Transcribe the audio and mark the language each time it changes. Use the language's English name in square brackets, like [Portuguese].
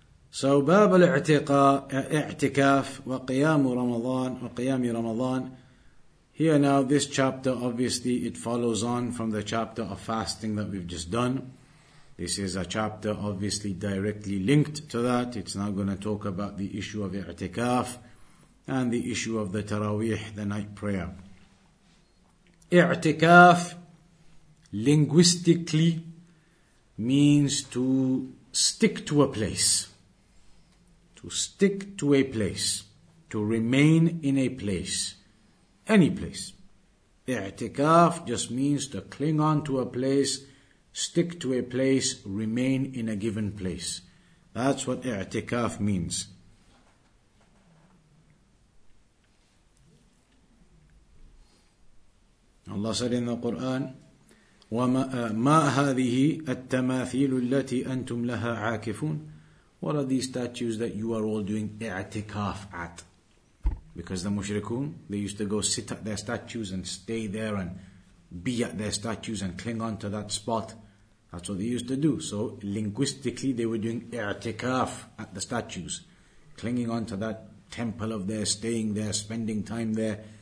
[Arabic] So باب الاعتكاف وقيام رمضان وقيام رمضان. [English] Here now, this chapter, obviously it follows on from the chapter of fasting that we've just done. This is a chapter obviously directly linked to that. It's now going to talk about the issue of i'tikaf and the issue of the taraweeh, the night prayer. I'tikaf linguistically means to stick to a place. To stick to a place, to remain in a place, any place. I'tikaf just means to cling on to a place, stick to a place, remain in a given place. That's what i'tikaf means. Allah said in the Quran, [Arabic] وما هذه التماثيل التي أنتم لها عاكفون. [English] What are these statues that you are all doing i'tikaf at? Because the mushrikun, they used to go sit at their statues and stay there and be at their statues and cling on to that spot. That's what they used to do. So linguistically, they were doing i'tikaf at the statues, clinging on to that temple of theirs, staying there, spending time there.